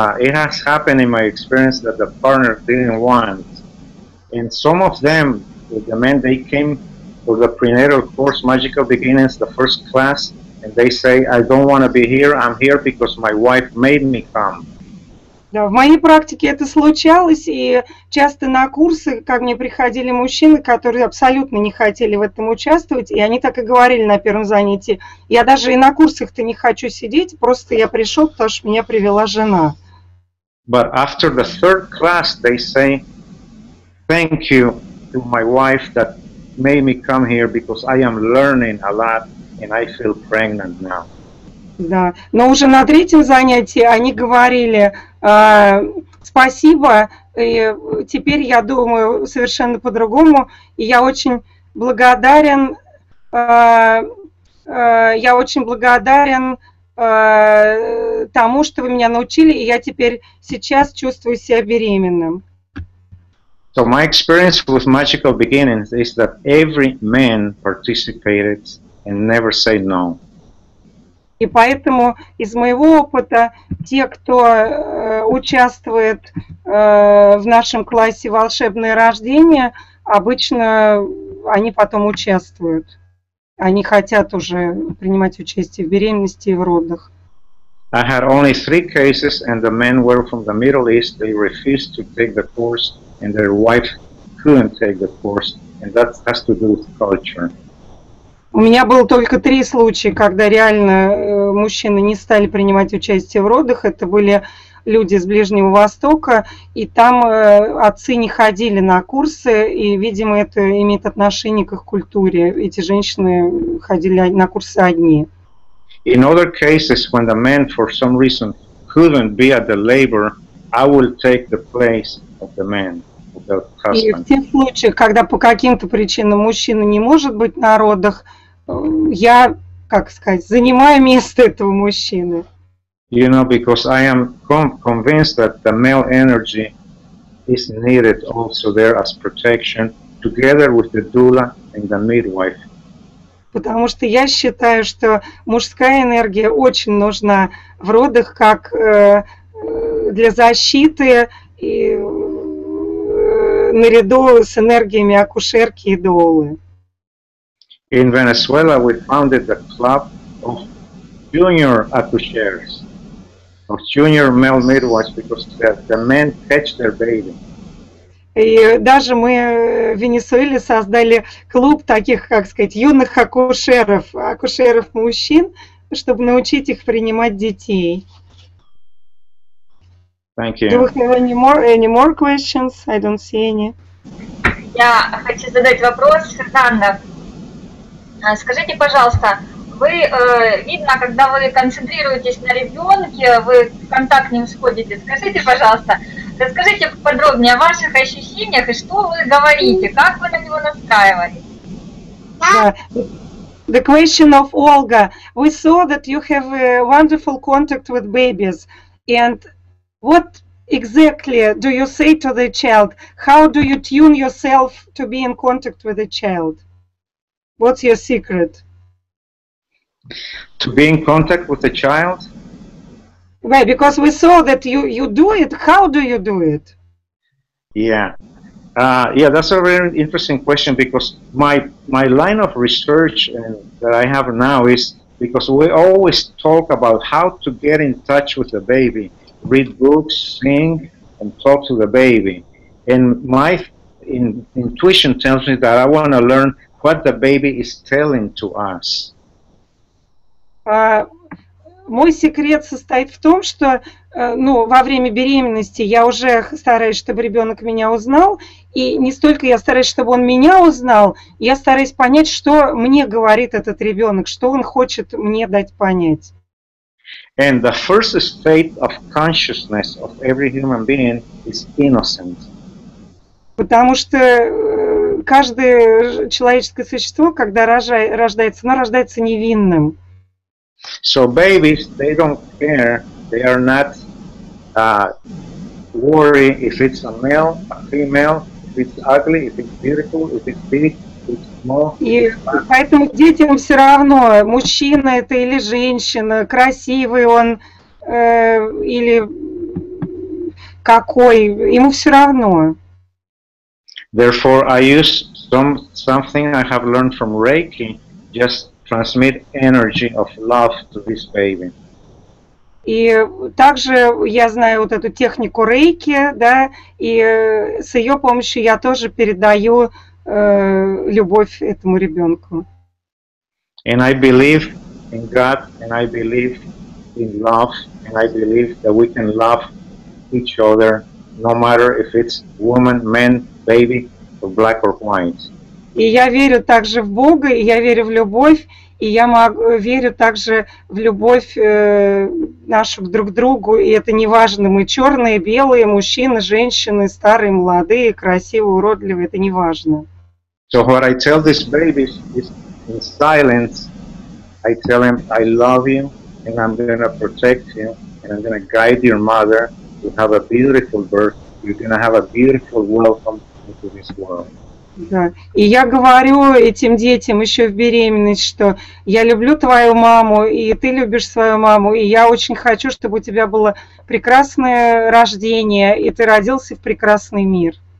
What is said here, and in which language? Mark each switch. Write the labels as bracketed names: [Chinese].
[English] It has happened in my experience that the partner didn't want. And some of them, the men, they came for the prenatal course, Magical Beginnings, the first class, and they say, I don't want to be here, I'm here because my wife made me come. [Russian] Да, в моей практике это случалось, и часто на курсы ко мне приходили мужчины, которые абсолютно не хотели в этом участвовать, и они так и говорили на первом занятии, я даже и на курсах-то не хочу сидеть, просто я пришел, потому что меня привела жена. [English] But after the third class, they say, thank you to my wife that made me come here because I am learning a lot and I feel pregnant now. [Russian] Да, но уже на третьем занятии они говорили спасибо, и теперь я думаю совершенно по-другому, и я очень благодарен тому, что вы меня научили, и я теперь сейчас чувствую себя беременным. [English] So my experience with Magical Beginnings is that every man participated and never said no. [Russian] И поэтому из моего опыта те, кто участвует в нашем классе «Волшебное рождение», обычно они потом участвуют. Они хотят уже принимать участие в беременности и в родах. [English] I had only three cases, and the men were from the Middle East. They refused to take the course, and their wife couldn't take the course. And that has to do with culture. [Russian] У меня было только три случая, когда реально мужчины не стали принимать участие в родах. Это были люди с Ближнего Востока, и там отцы не ходили на курсы, и, видимо, это имеет отношение к их культуре. Эти женщины ходили на курсы одни. [English] In other cases, when the man for some reason couldn't be at the labor, I will take the place of the man. [Russian] И в тех случаях, когда по каким-то причинам мужчина не может быть на родах, я, как сказать, занимаю место этого мужчины. [English] You know, because I am convinced that the male energy is needed also there as protection, together with the doula and the midwife. [Russian] Потому что я считаю, что мужская энергия очень нужна в родах, как для защиты и наряду с энергиями акушерки и доулы. [English] In Venezuela, we founded the club of junior accoucheurs, of junior male midwives, because the men catch their baby. [Russian] И даже мы в Венесуэле создали клуб таких, как сказать, юных акушеров, акушеров мужчин, чтобы научить их принимать детей. [English] Thank you. Do we have any more questions? I don't see any. [Russian] Я хочу задать вопрос, Фернандо. Скажите, пожалуйста, вы видно, когда вы концентрируетесь на ребенке, вы в контакт с ним сходите. Скажите, пожалуйста, расскажите подробнее о ваших ощущениях и что вы говорите, как вы на него настраиваетесь? [English] The question of Olga. We saw that you have a wonderful contact with babies. And what exactly do you say to the child? How do you tune yourself to be in contact with the child? What's your secret? To be in contact with the child? Well, because we saw that you do it. How do you do it? Yeah. Yeah, that's a very interesting question, because my line of research that I have now is, because we always talk about how to get in touch with the baby, read books, sing, and talk to the baby. And my intuition tells me that I want to learn what the baby is telling to us. [Russian] Мой секрет состоит в том, что во время беременности я уже стараюсь, чтобы ребенок меня узнал, и не столько я стараюсь, чтобы он меня узнал, я стараюсь понять, что мне говорит этот ребенок, что он хочет мне дать понять. [English] And the first state of consciousness of every human being is innocence. [Russian] Потому что каждое человеческое существо, когда рождается, оно рождается невинным. [English] So babies, they don't care, they are not worried if it's a male, a female, if it's ugly, if it's beautiful, if it's big, if it's small. [Russian] И поэтому детям все равно, мужчина это или женщина, красивый он или какой, ему все равно. [English] Therefore, I use something I have learned from Reiki, just transmit energy of love to this baby. [Russian] И также я знаю вот эту технику Рейки, да, и с ее помощью я тоже передаю любовь этому ребенку. [English] And I believe in God, and I believe in love, and I believe that we can love each other, no matter if it's woman, man, baby, or black or white. [Russian] И я верю также в Бога, и я верю в любовь, и я верю также в любовь нашу друг к другу, и это не важно, мы черные, белые, мужчины, женщины, старые, молодые, красивые, уродливые, это не важно. [English] So what I tell these babies is in silence, I tell them I love you, and I'm going to protect you, and I'm going to guide your mother, you have a beautiful birth, you're going to have a beautiful welcome into this world. [Russian] Да. И я говорю этим детям еще в беременность, что я люблю твою маму, и ты любишь свою маму, и я очень хочу, чтобы у тебя было прекрасное рождение, и ты родился в прекрасный мир.